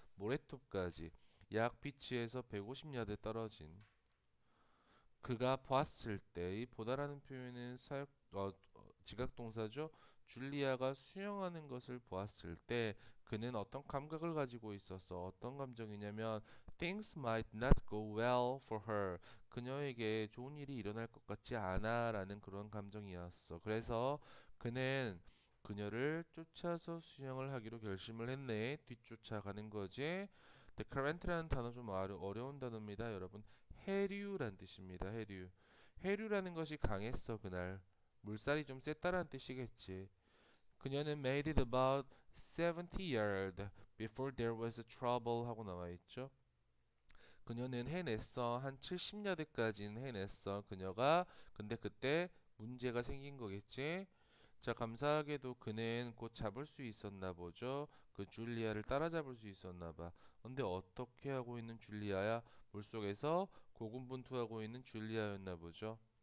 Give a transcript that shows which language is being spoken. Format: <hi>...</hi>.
<ko>모래톱까지 약 비치에서 150야드 떨어진. 그가 보았을 때이 보다라는 표현은 사역 지각동사죠. 줄리아가 수영하는 것을 보았을 때 그는 어떤 감각을 가지고 있었어? 어떤 감정이냐면</ko> <en>things might not go well for her.</en> <ko>그녀에게 좋은 일이 일어날 것 같지 않아라는 그런 감정이었어. 그래서 그는 그녀를 쫓아서 수영을 하기로 결심을 했네. 뒤쫓아가는 거지. The current라는 단어 좀 어려운 단어입니다, 여러분. 해류란 뜻입니다. 해류. 해류라는 것이 강했어, 그날. 물살이 좀 셌다라는 뜻이겠지. 그녀는</ko> <en>made it about 70 yards before there was a trouble</en> <ko>하고 나와 있죠. 그녀는 해냈어. 한 70야드까지는 해냈어, 그녀가. 근데 그때 문제가 생긴 거겠지. 자, 감사하게도 그는 곧 잡을 수 있었나 보죠. 그 줄리아를 따라잡을 수 있었나 봐. 근데 어떻게 하고 있는 줄리아야? 물속에서 고군분투하고 있는 줄리아였나 보죠.</ko>